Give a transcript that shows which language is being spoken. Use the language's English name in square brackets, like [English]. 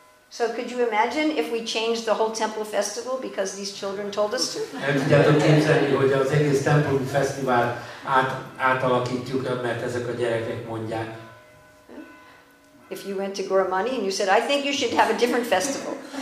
[English] So could you imagine if we changed the whole temple festival because these children told us to? [Hungarian] El tudjátok képzelni, hogy az egész templom fesztivál átalakítjuk, mert ezek a gyerekek mondják. [English] If you went to Gauramani and you said, I think you should have a different festival.